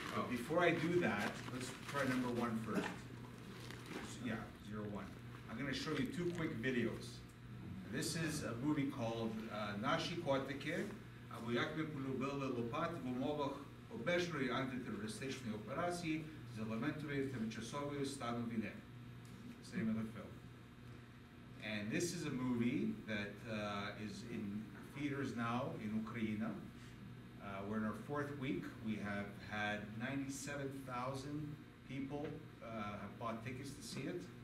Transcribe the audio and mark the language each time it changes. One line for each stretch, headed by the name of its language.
English: Before I do that, let's try number one first. Yeah, 01. I'm going to show you two quick videos. This is a movie called
Ukrainian: "Наші котики", або як ми полюбили лопати в умовах обмеженої антитерористичної операції з елементами тимчасової стану війни.
English: Same other film. And this is a movie that is in theaters now in Ukraine. We're in our fourth week. We have had 97,000 people have bought tickets to see it.